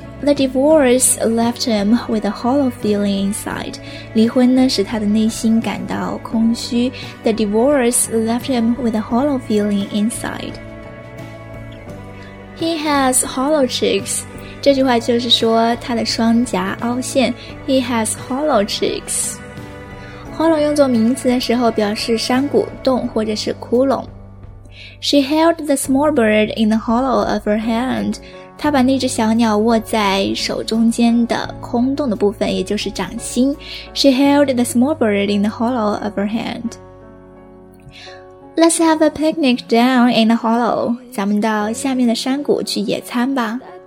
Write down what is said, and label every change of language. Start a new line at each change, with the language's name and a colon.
English: The divorce left him with a hollow feeling inside.
Chinese: 离婚呢使他的内心感到空虚。
English: The divorce left him with a hollow feeling inside. He has hollow cheeks.
Chinese: 这句话就是说他的双颊凹陷。
English: He has hollow cheeks.
Chinese: Hollow 用作名词的时候表示山谷、洞或者是窟窿。
English: She held the small bird in the hollow of her hand.
Chinese: 她把那只小鸟握在手中间的空洞的部分，也就是掌心。
English: She held the small bird in the hollow of her hand. Let's have a picnic down in the hollow.
Chinese: 咱们到下面的山谷去野餐吧。